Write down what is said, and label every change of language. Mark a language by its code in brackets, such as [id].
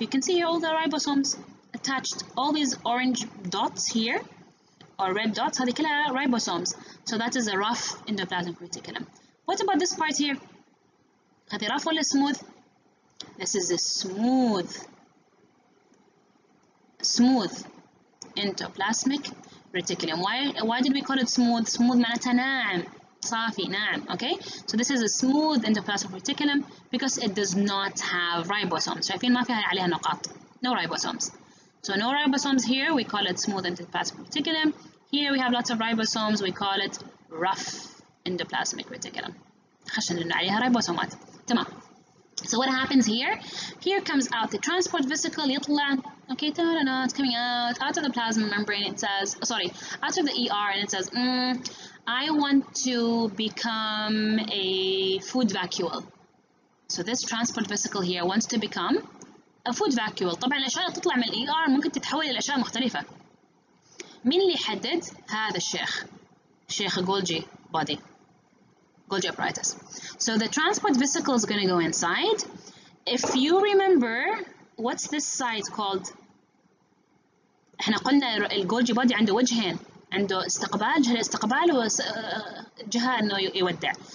[en] You can see here all the ribosomes attached. All these orange dots here, or red dots, [ar] هذه كلها [en] ribosomes. So that is a rough endoplasmic reticulum. What about this part here? هذه rough ولا smooth? This is a smooth. Endoplasmic reticulum. Why did we call it smooth? [ar] Smooth معناتها ناعم, صافي, ناعم. [en] Okay? So this is a smooth endoplasmic reticulum because it does not have ribosomes. [ar] شايفين ما فيها عليها نقاط. [en] No ribosomes. So no ribosomes here, we call it smooth endoplasmic reticulum. Here we have lots of ribosomes, we call it rough endoplasmic reticulum. [ar] عشان عليها ribosomes. [en] تمام. So what happens here? Here comes out the transport vesicle, يطلع. Okay, it's coming out of the plasma membrane, it says, sorry, out of the ER, and it says, I want to become a food vacuole. So this transport vesicle here wants to become a food vacuole. [ar] طبعاً الأشياء اللي تطلع من الER ممكن تتحول إلى أشياء مختلفة. مين اللي حدد؟ هذا الشيخ. [en] شيخ Golgi body. Golgi apparatus. So the transport vesicle is going to go inside. if you remember, what's this site called? [ar] احنا قلنا الجولجي بودي عنده وجهين عنده استقبال جهة الاستقبال وجهة انه يودع.